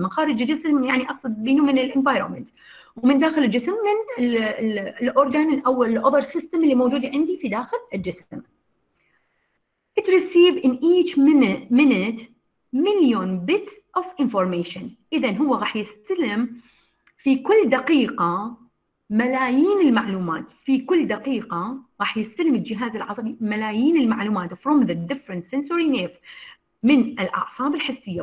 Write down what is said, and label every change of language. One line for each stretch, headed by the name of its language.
Arabic: من خارج الجسم يعني أقصد بينه من الانفايرومنت، ومن داخل الجسم من الأورجان أو الأوفر سيستم اللي موجود عندي في داخل الجسم.
English: It receives in each minute million bits of information.
Arabic: إذن هو راح يستلم في كل دقيقة ملايين المعلومات، في كل دقيقة راح يستلم الجهاز العصبي ملايين المعلومات
English: from the different sensory nerves،
Arabic: من الأعصاب الحسية.